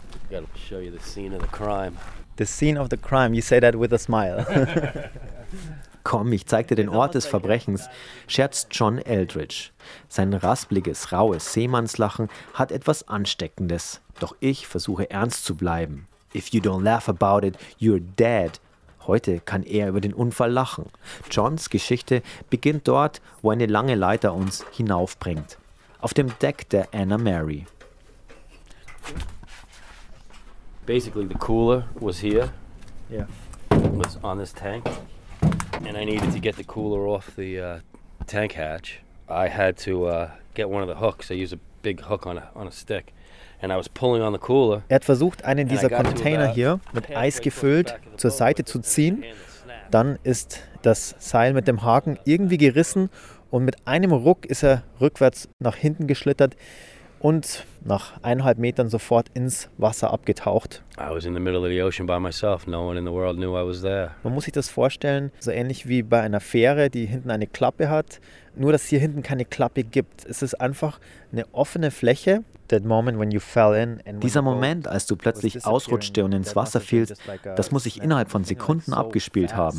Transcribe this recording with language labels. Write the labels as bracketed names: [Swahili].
[English] The scene of the crime, you say that with a smile. [German] Komm, ich zeig dir den Ort des Verbrechens, scherzt John Aldrich. Sein raspeliges, raues Seemannslachen hat etwas Ansteckendes. Doch ich versuche ernst zu bleiben. [English] If you don't laugh about it, you're dead. [German] Heute kann er über den Unfall lachen. Johns Geschichte beginnt dort, wo eine lange Leiter uns hinaufbringt. Auf dem Deck der Anna Mary. [English] Basically the cooler was here. Yeah. It was on this tank. And I needed to get the cooler off the tank hatch. I had to get one of the hooks. I used a big hook on a stick. And I was pulling on the cooler. [German] Er hat versucht, einen dieser Container hier mit Eis gefüllt zur Seite zu ziehen. Dann ist das Seil mit dem Haken irgendwie gerissen und mit einem Ruck ist er rückwärts nach hinten geschlittert und nach 1,5 Metern sofort ins Wasser abgetaucht. [English] I was in the middle of the ocean by myself. No one in the world knew I was there. [German] Man muss sich das vorstellen, so ähnlich wie bei einer Fähre, die hinten eine Klappe hat, nur dass hier hinten keine Klappe gibt. Es ist einfach eine offene Fläche. [English] That moment when you fell in and when [German] dieser Moment, als du plötzlich ausrutschte und ins Wasser fielst, das muss sich innerhalb von Sekunden abgespielt haben.